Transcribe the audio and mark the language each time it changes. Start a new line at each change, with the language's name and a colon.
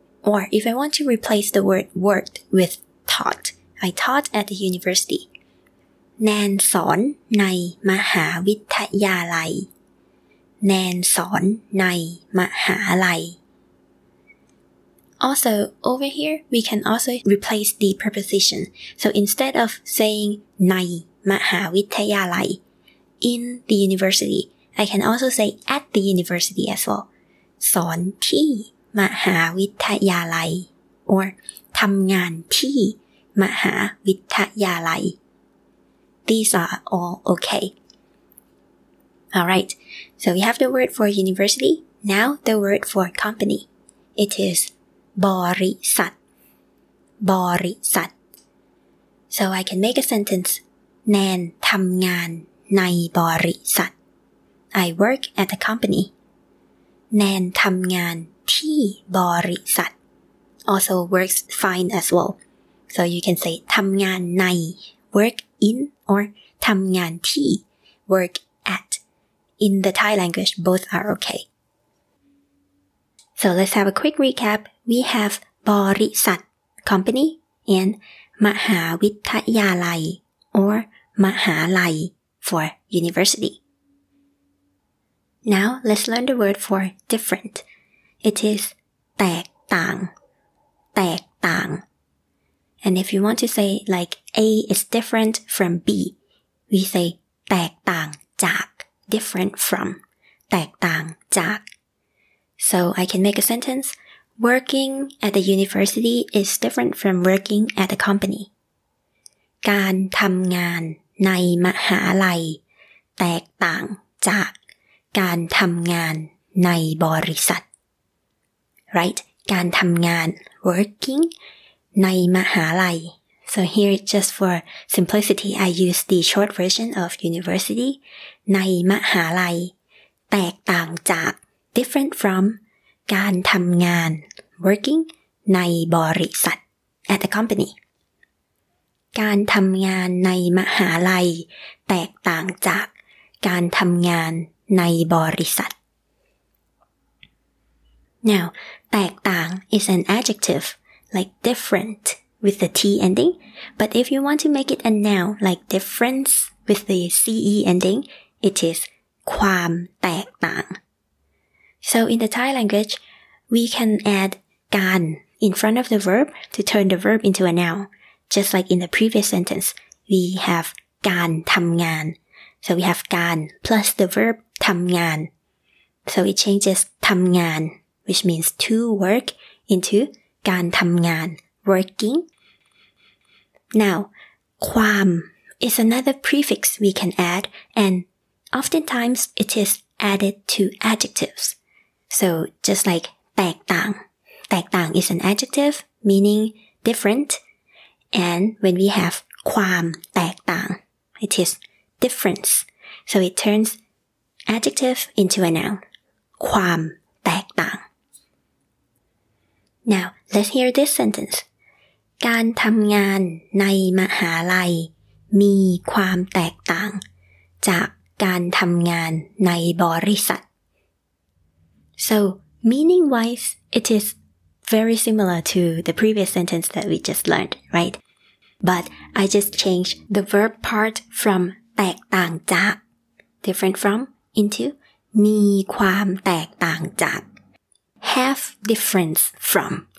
English: Or if I want to replace the word worked with taught I taught at the university
Thai: แนนสอนในมหาวิทยาลัยแนนสอนในมหาลัย
English: Also, over here, we can also replace the preposition. So instead of saying
Thai: ในมหาวิทยาลัย
English: in the university, I can also say at the university as well.
Thai: สอนที่มหาวิทยาลัย
English: or
Thai: ทำงานที่มหาวิทยาลัย
English: These are all okay. Alright, so we have the word for university. Now the word for company. It is บริษัท บริษัท So I can make a sentence.
Thai: แนนทำงานในบริษัท
English: I work at a company.
Thai: แนนทำงานที่บริษัท
English: Also works fine as well. So you can say
Thai: ทำงานใน
English: work in. Or
Thai: ทำงานที่
English: work at. In the Thai language, both are okay. So let's have a quick recap. We have บริษัท company and มหาวิทยาลัย or มหาลัย for university. Now let's learn the word for different. It is แตกต่าง แตกต่างAnd if you want to say like A is different from B, we say
Thai: แตกต่างจาก
English: different from แตกต่างจาก So I can make a sentence Working at the university is different from working at a company
Thai: การทำงานในมหาลัยแตกต่างจากการทำงานในบริษัท
English: Right?
Thai: การทำงาน
English: working
Thai: ในมหาลัย
English: So here just for simplicity I use the short version of university
Thai: ในมหาลัยแตกต่างจาก
English: different from การทำงาน working
Thai: ในบริษัท
English: at the company
Thai: การทำงานในมหาลัยแตกต่างจากการทำงานในบริษัท
English: Now แตกต่าง is an adjectiveLike different with the T ending. But if you want to make it a noun, like difference with the CE ending, it is ความแตกต่าง. So in the Thai language, we can add การin front of the verb to turn the verb into a noun. Just like in the previous sentence, we have
Thai: การทำงาน.
English: So we have การ plus the verb ทำงาน. So it changes ทำงาน, which means to work into.
Thai: การทำงาน
English: working Now ความ is another prefix we can add and Oftentimes, it is added to adjectives. So, just like แตกต่าง. แตกต่าง is an adjective, meaning different. And when we have ความแตกต่าง, it is difference. So, it turns adjective into a noun. ความแตกต่าง. Now, let's hear this sentence.
Thai: การทำงานในมหาลัยมีความแตกต่างจากการทำงานในบริษัท.
English: So, meaning-wise, it is very similar to the previous sentence that we just learned, right? But I just changed the verb part from
Thai: แตกต่างจาก,
English: different from, into
Thai: มีความแตกต่างจาก,
English: have difference from.